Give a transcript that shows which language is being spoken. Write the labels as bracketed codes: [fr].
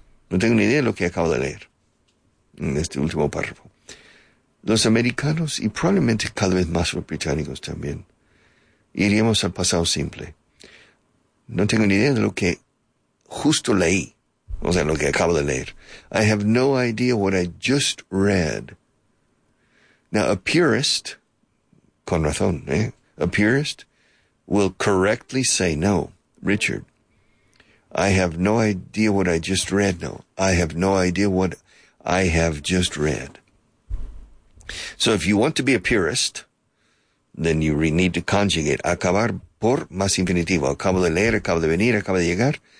[es] No tengo ni idea lo que acabo de leer en este último párrafo. Los americanos y probablemente cada vez más los británicos también iríamos al pasado simple. No tengo ni idea de lo que justo leí. O sea, lo que acabo de leer. [en] I have no idea what I just read. Now, a purist, [es] con razón, [en] a purist will correctly say, no, Richard, I have no idea what I just read. No, I have no idea what I have just read. So if you want to be a purist, then you need to conjugate. [es] Acabar por más infinitivo. Acabo de leer, acabo de venir, acabo de llegar.